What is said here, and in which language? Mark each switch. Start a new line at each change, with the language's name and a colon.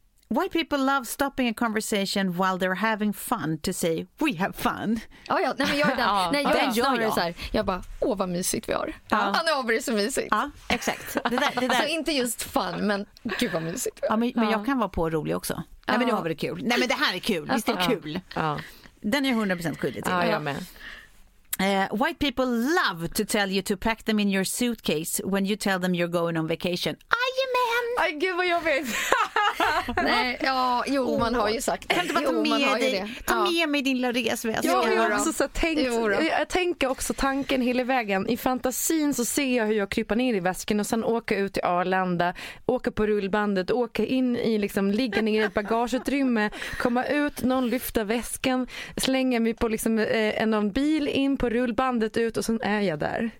English: White people love stopping a conversation while they're having fun to say we have fun.
Swedish: Oh ja, nej men jag är den. Nej, jag är snarare så här. Jag bara, åh vad mysigt vi har. Han är över så mysigt. Ja, exakt. Det där. Alltså inte just fun, men gud vad mysigt. Ja, men jag kan vara på rolig också. Nej, men nu har vi det kul. Nej, men det här är kul. Visst är det kul? Ja. Den är 100% skyldig till. Ja, jag med.
English: White people love to tell you to pack them in your suitcase when you tell them you're going on vacation.
Swedish: Jajamän! Aj, gud vad jobbigt! Nej, jo, man har ju sagt det. Kan du ta med mig din lilla resväska? Ja, jag har också tänker tanken hela vägen. I fantasin så ser jag hur jag kryper ner i väsken och sen åker ut till Arlanda, åker på rullbandet, åker in i, liksom, ligger ner i ett bagageutrymme, komma ut, någon lyfter väskan, slänger mig på liksom, en bil in på rullbandet ut och sen är jag där.